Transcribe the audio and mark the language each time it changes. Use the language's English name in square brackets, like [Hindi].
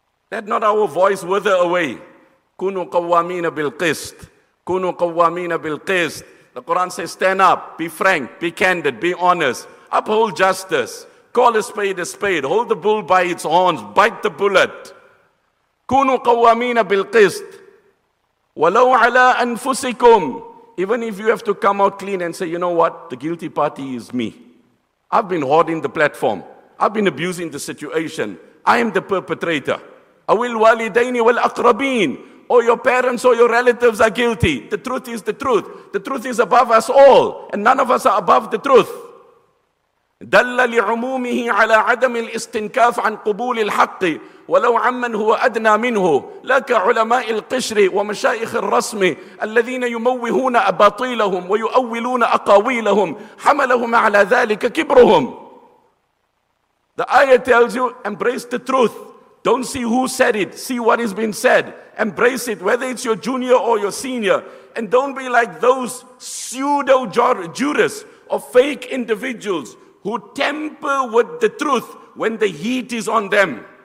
[English] Let not our voice wither away. [Arabic] Kunu qawwamina bil qist. Kunu qawwamina bil qist. [English] The Quran says, stand up, be frank, be candid, be honest, uphold justice, call a spade, hold the bull by its horns, bite the bullet. [Arabic] كونوا قوامين بالقسط ولو على أنفسكم [English] Even if you have to come out clean and say, you know what, the guilty party is me. I've been hoarding the platform. I've been abusing the situation. I am the perpetrator. [Arabic] Awil walidaini wal aqrabin. [English] Or your parents or your relatives are guilty. The truth is the truth. The truth is above us all. And none of us are above the truth. [Arabic] دل لعمومه على عدم الاستنكاف عن قبول الحق ولو عمن هو أدنى منه لك علماء القشر ومشايخ الرسم الذين يموهون أباطيلهم ويؤولون أقاويلهم حملهم على ذلك كبرهم. [English] The ayah tells you, embrace the truth. Don't see who said it, see what has been said. Embrace it, whether it's your junior or your senior. And don't be like those pseudo-jurists or fake individuals who tamper with the truth when the heat is on them.